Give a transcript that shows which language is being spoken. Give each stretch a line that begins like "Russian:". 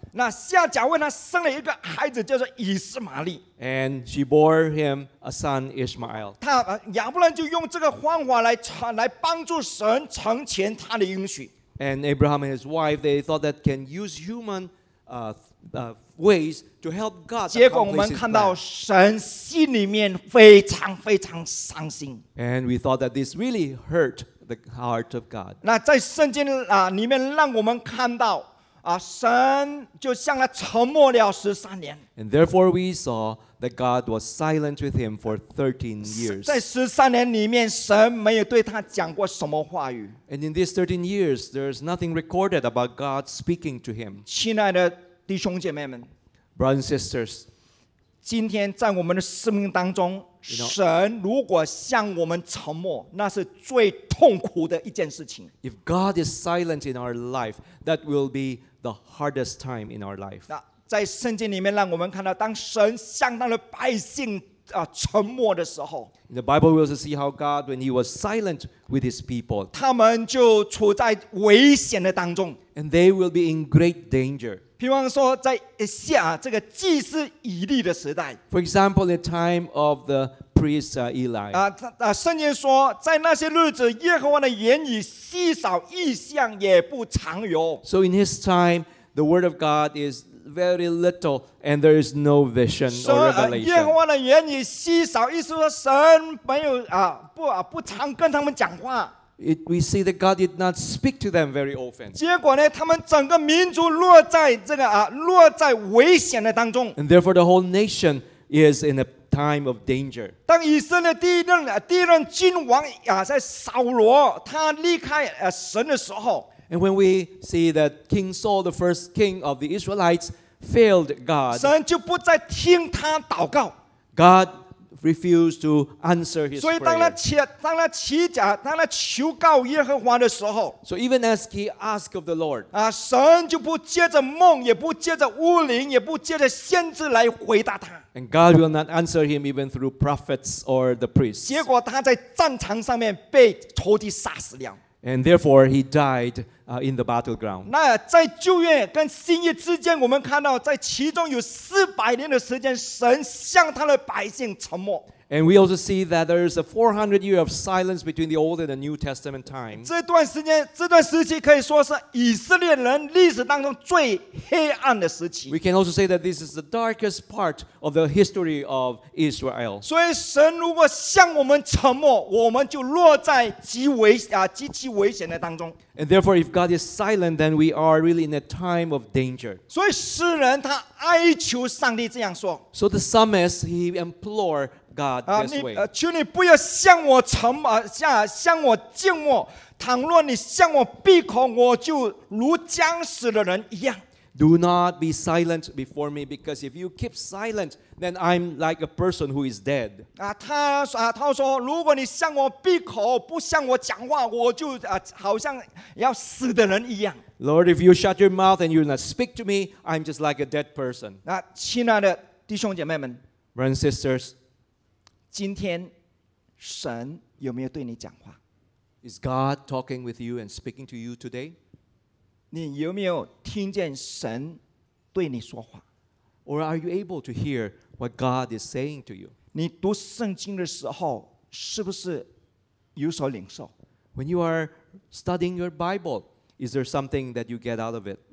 Chinese: 那夏甲为他生了一个孩子，叫做以实玛利。
English: And she bore him a son, Ishmael.
Chinese: 他亚伯兰就用这个方法来帮助神成全他的应许。
English: And Abraham and his wife, they thought that can use human ways to help God.
Chinese: 结果我们看到神心里面非常非常伤心。
English: And we thought that this really hurt the heart of God.
Chinese: 那在圣经里面让我们看到神就向他沉默了十三年。
English: And therefore we saw that God was silent with him for 13 years.
Chinese: 在十三年里面，神没有对他讲过什么话语。
English: And in these 13 years, there is nothing recorded about God speaking to him.
Chinese: 亲爱的。弟兄姐妹们
English: ，Brothers and sisters，
Chinese: 今天在我们的生命当中，
English: you know,
Chinese: 神如果向我们沉默，那是最痛苦的一件事情。
English: If God is silent in our life, that will be the hardest time in our life.
Chinese: 在圣经里面，让我们看到，当神向他的百姓沉默的时候
English: In the Bible, we also see how God, when he was silent with his people,
Chinese: 他们就处在危险的当中
English: and they will be in great danger.
Chinese: 比方说在以下这个祭司以利的时代
English: For example, the time of the priest Eli.
Chinese: 圣经说在那些日子耶和华的言语稀少异象也不常有
English: So in his time, the word of God is very little and there is no vision or revelation.
Chinese: 耶和华的言语稀少意思说神没有不常跟他们讲话
English: We see that God did not speak to them very often.
Chinese: 结果呢他们整个民族落在这个落在危险的当中
English: And therefore the whole nation is in a time of danger.
Chinese: 当以色列第一任君王在扫罗他离开神的时候
English: And when we see that King Saul, the first king of the Israelites, failed God,
Chinese: 神就不再听他祷告
English: God refused to answer his
Chinese: 所以当他祈
English: prayer.
Chinese: 当他求告耶和华的时候
English: So even as he asked of the Lord,
Chinese: 神就不借着梦，也不借着巫灵，也不借着先知来回答他
English: And God will not answer him even through prophets or the priests.
Chinese: 结果他在战场上面被仇敌杀死了
English: And therefore, he died in the battleground.
Chinese: 那在旧约跟新约之间，我们看到在其中有四百年的时间，神向他的百姓沉默。
English: And we also see that there is a 400 year of silence between the Old and the New Testament time.
Chinese: 这段时期可以说是以色列人历史当中最黑暗的时期。
English: We can also say that this is the darkest part of the history of Israel.
Chinese: 所以神如果向我们沉默，我们就落在极其危险的当中。
English: And therefore, if God is silent, then we are really in a time of danger.
Chinese: 所以诗人他哀求上帝这样说。
English: So the psalmist he implored. God this way.
Chinese: 求你不要向我沉默，向我静默。倘若你向我闭口，我就如将死的人一样。
English: Do not be silent before me, because if you keep silent, then I'm like a person who is dead.
Chinese: 他说，如果你向我闭口，不向我讲话，我就好像要死的人一样。
English: Lord, if you shut your mouth and you not speak to me, I'm just like a dead person.
Chinese: 亲爱的弟兄姐妹们
English: brothers and sisters.
Chinese: 今天神有没有对你讲话
English: Is God talking with you and speaking to you today?
Chinese: 你有没有听见神对你说话
English: Or are you able to hear what God is saying to you?
Chinese: 你读圣经的时候是不是有所领受
English: When you are studying your Bible, is there something that you get out of it?